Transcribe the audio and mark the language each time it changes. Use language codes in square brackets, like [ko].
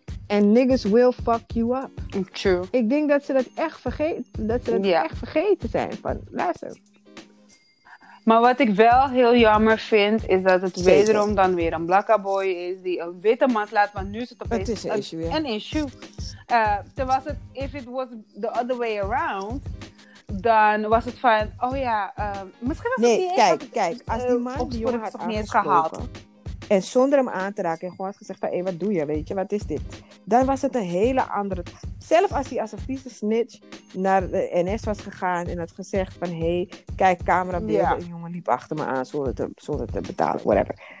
[en] And niggas will fuck you up. True. [nl] Ik denk dat ze dat echt vergeten. Dat ze dat echt vergeten zijn. Van, luister. Maar wat ik wel heel jammer vind... is dat het wederom dan weer een blakke boy is... die een witte man slaat, want nu is het opeens... Het is een issue, een issue. Terwijl het, [en] if it was the other way around... [nl] dan was het van... Oh ja, misschien was het niet... Kijk, als die man die jongen had aangesproken... en zonder hem aan te raken... en gewoon had gezegd van, hé, wat doe je, weet je, wat is dit? Dan was het een hele andere... Zelf als hij als een vieze snitch naar de NS was gegaan... en had gezegd van, hé, kijk, camerabeelden... een jongen liep achter me aan zonder te betalen, whatever.